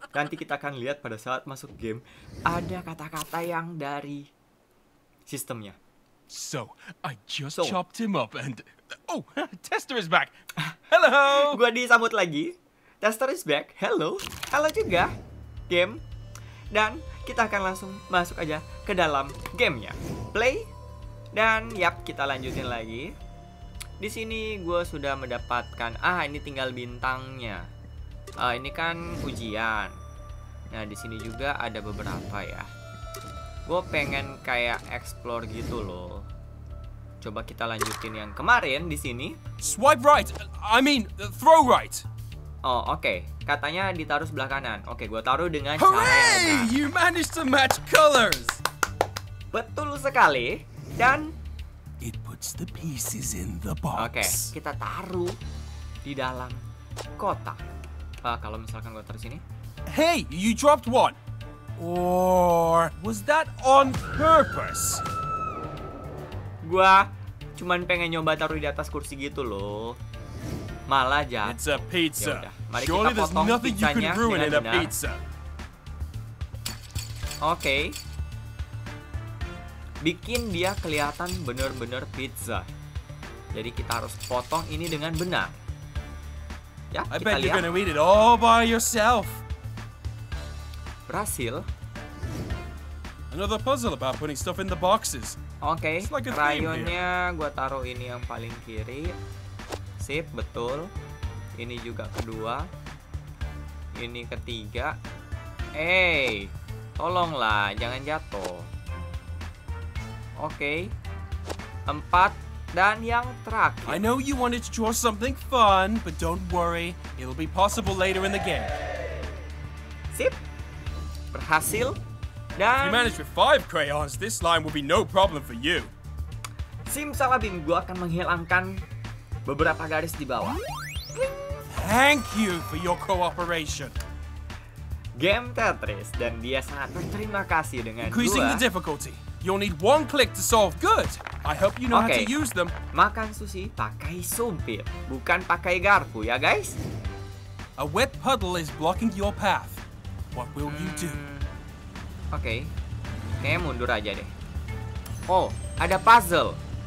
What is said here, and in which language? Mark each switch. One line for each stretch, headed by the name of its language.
Indonesian: Nanti kita akan lihat pada saat masuk game ada kata-kata yang dari sistemnya.
English: So, I just chopped him up and... Oh, Tester is back. Hello.
Indonesian: Gue disambut lagi.
English: Tester is back, hello.
Indonesian: Halo juga, game. Dan kita akan langsung masuk aja ke dalam gamenya. Play. Dan yap, kita lanjutin lagi. Di sini gue sudah mendapatkan ini tinggal bintangnya. Ini kan ujian. Nah di sini juga ada beberapa ya. Gue pengen kayak explore gitu loh. Coba kita lanjutin yang kemarin di sini.
English: Swipe right. I mean throw right. Oh oke. Okay.
Indonesian: Katanya ditaruh sebelah kanan. Oke, okay, gue taruh dengan Hooray! Cara yang benar.
English: You managed to match colors.
Indonesian: Betul sekali. Dan
English: it puts the pieces in the box.
Indonesian: Oke, okay, kita taruh di dalam kotak. Kalau misalkan gue taruh sini.
English: Hey, you dropped one. Or was that on purpose?
Indonesian: Gua cuman pengen nyoba taruh di atas kursi gitu loh. Malah jatuh.
English: It's a pizza.
Indonesian: Mari kita potong pizzanya dengan benar. Pizza. Oke. Bikin dia kelihatan benar-benar pizza. Jadi kita harus potong ini dengan benar. Ya, kita lihat.
English: I bet you're gonna eat it all by yourself.
Indonesian: Berhasil.
English: Another puzzle about putting stuff in the boxes. Oke, okay.
Indonesian: Like rayonnya gue taruh ini yang paling kiri. Sip, betul. Ini juga kedua. Ini ketiga. Hey, tolonglah, jangan jatuh. Oke. Okay. Empat dan yang terakhir.
English: I know you wanted to draw something fun, but don't worry, it'll be possible later in the game.
Indonesian: Sip. Berhasil. Dan
English: if you manage with 5 crayons, this line will be no problem for you.
Indonesian: Simsalabim, gua akan menghilangkan beberapa garis di bawah.
English: Thank you for your cooperation.
Indonesian: Game Tetris dan dia sangat berterima kasih dengan gua.
English: Increasing the difficulty. You'll need one click to solve. Good. I hope you know okay. How to use them.
Indonesian: Makan sushi pakai sumpit, bukan pakai garpu ya, guys.
English: A wet puddle is blocking your path. What will you do?
Indonesian: Oke. Okay. Kayak mundur aja deh. Oh, ada puzzle.